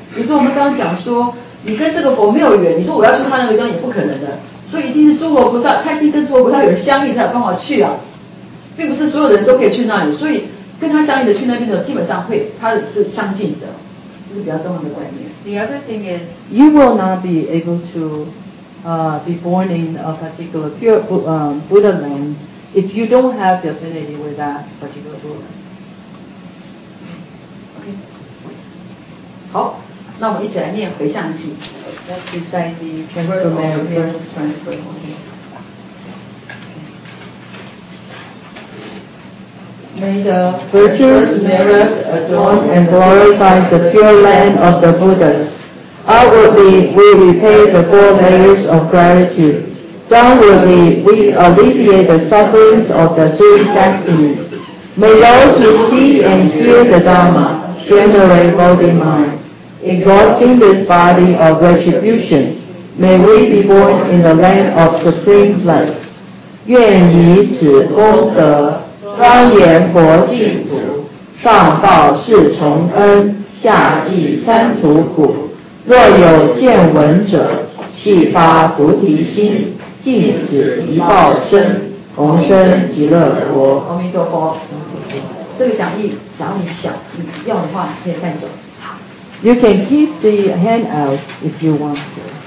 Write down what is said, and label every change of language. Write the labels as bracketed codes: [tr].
[zh] 比如说我们刚刚讲说，你跟这个佛没有缘，你说我要去他那个地方也不可能的，所以一定是诸佛菩萨，他一定跟诸佛菩萨有相应才有办法去啊，并不是所有人都可以去那里，所以跟他相应的去那边的基本上会他是相近的，这是比较重要的观念。 [en] The other thing is, you will not be able to, be born in a particular pure, Buddha land. If you don't have the affinity with that particular Buddha. Okay. [zh] 好，那我们一起来念回向偈。 [en] Let's recite the transformation verse. Okay. Okay. Okay. Okay. Okay. Okay. May the virtuous merits adorn and glorify the pure land of the Buddhas. Outwardly, we repay the four layers of gratitude. Downwardly, we alleviate the sufferings of the three destinies. May those who see and hear the Dharma generate Bodhi mind. Exhausting this body of retribution, may we be born in the land of supreme bliss. [zh] 愿以此功德，庄严佛净土，上报四重恩，下济三途苦。若有见闻者，悉发菩提心。禁止一报身，同生极乐国。阿弥陀佛。这个讲义，只要你想，你要的话，你可以带走。 [en] You can keep the hand out if you want to.